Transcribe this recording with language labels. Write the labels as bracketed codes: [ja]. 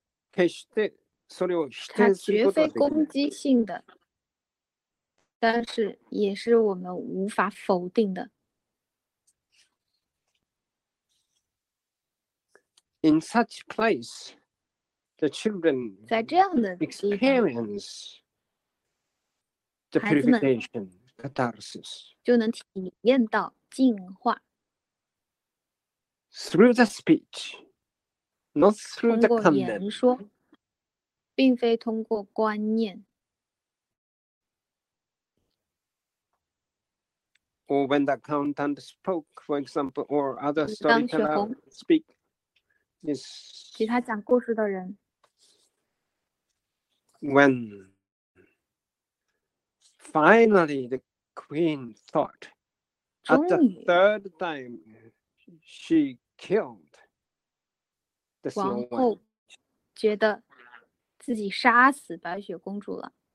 [ja] 決してそれを否定することはできない。 [zh] 它绝非攻击性的，但是也是我们无法否定的。 [en] In such place. The children experience the purification, catharsis. [zh] 就能体验到净化。 [en] Through the speech, not through the content. [zh] 通过言说，并非通过观念。 [en] Or when the accountant spoke, for example, or other storyteller speak, is [zh] 其他讲故事的人。 [en] When finally the queen thought, at the third time, she killed the Snow White. [zh] 王后觉得自己杀死白雪公主了。